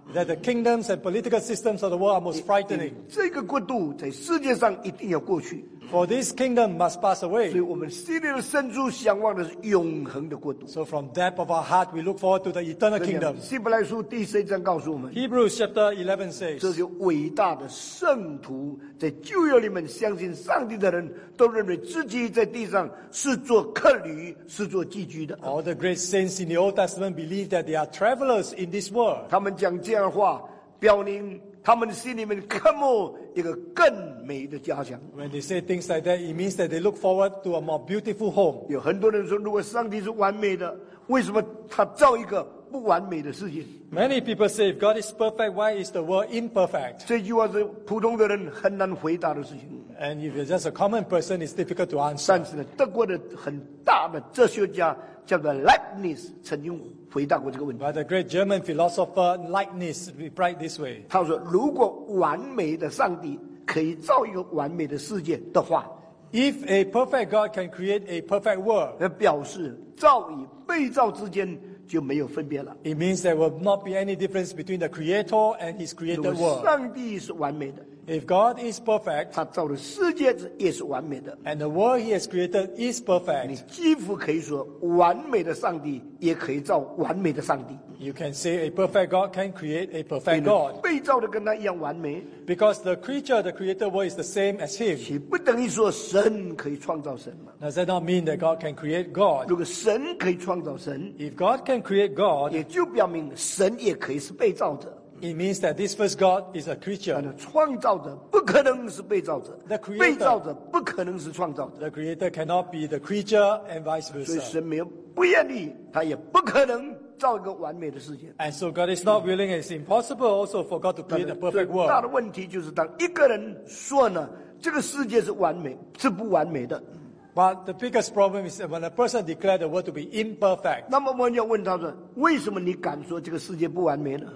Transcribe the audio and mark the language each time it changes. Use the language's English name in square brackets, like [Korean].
[English] That the kingdoms and political systems of the world are most frightening. [Chinese] 这个国度在世界上一定要过去。 [English] For this kingdom must pass away. [Chinese] 所以我们心里的深处向往的是永恒的国度。 [English] So from depth of our heart, we look forward to the eternal kingdom. [Chinese] 希伯来书第十一章告诉我们。 [English] Hebrews chapter 11 says. [Chinese] 这些伟大的圣徒，在旧约里面相信上帝的人，都认为自己在地上是做客旅，是做寄居的。 [English] All the great saints in the Old Testament believe that they are travelers in this world. [Chinese] 他们讲这样的话，表明。他们心里面渴慕一个更美的家乡。 [English] When they say things like that, it means that they look forward to a more beautiful home. [Chinese] 有很多人说，如果上帝是完美的，为什么他造一个不完美的世界？ [English] Many people say, if God is perfect, why is the world imperfect? [Chinese] 这句话是普通的人很难回答的事情。 [English] And if you're just a common person, it's difficult to answer. [Chinese] 但是呢，德国的很大的哲学家叫做 Leibniz 曾经回答过这个问题。 [English] But the great German philosopher Leibniz replied this way. [Chinese] 他说：“如果完美的上帝可以造一个完美的世界的话 [English] ，If a perfect God can create a perfect world， [Chinese] 那表示造与被造之间就没有分别了。 [English] It means there will not be any difference between the Creator and His created world. [Chinese] 上帝是完美的。 [English] If God is perfect， [Chinese] 他造的世界也是完美的。 [English] And the world He has created is perfect. [Chinese] 你几乎可以说完美的上帝。” 也可以造完美的上帝。 [English] You can say a perfect God can create a perfect God. [Chinese] 被造的跟他一样完美。 [English] Because the creature, the creator world is the same as him. [Chinese] 岂不等于说神可以创造神吗？ [English] Does that not mean that God can create God? [Chinese] 如果神可以创造神， [English] If God can create God, [Chinese] 也就表明神也可以是被造者。 [English] It means that this first God is a creature. [Chinese] 创造者不可能是被造者。 [English] The creator, [Chinese] 被造者不可能是创造者。 [English] The creator cannot be the creature and vice versa. [Chinese] 所以神没有不愿意，他也不可能造一个完美的世界。 [English] And so God is not willing, it's impossible also for God to create a perfect world. [Chinese] 最大的问题就是当一个人说呢，这个世界是完美，是不完美的。 [English] But the biggest problem is when a person declares the world to be imperfect. [Chinese] 那么我们要问他说，为什么你敢说这个世界不完美呢？